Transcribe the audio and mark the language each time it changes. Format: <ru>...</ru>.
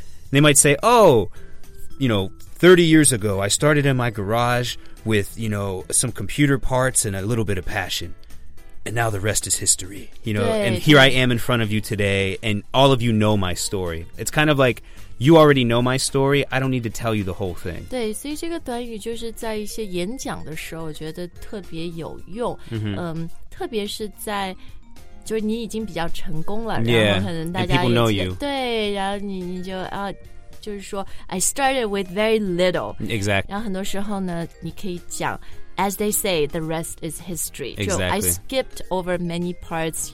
<en>They might say, oh, you know, 30 years ago, I started in my garage with, you know, some computer parts and a little bit of passion. And now the rest is history, you know, and here I am in front of you today. And all of you know my story. It's kind of like... You already know my story. I don't need to tell you the whole thing.</en> <zh>对，所以这个短语就是在一些演讲的时候，我觉得特别有用。特别是在就是你已经比较成功了，然后可能大家</zh> <en>and people know you.</en> <zh>对，然后你就啊，就是说</zh> <en>I started with very little. Exactly.</en> <zh>然后很多时候呢，你可以讲</zh> <en>as they say, the rest is history. Exactly. I skipped over many parts.</en>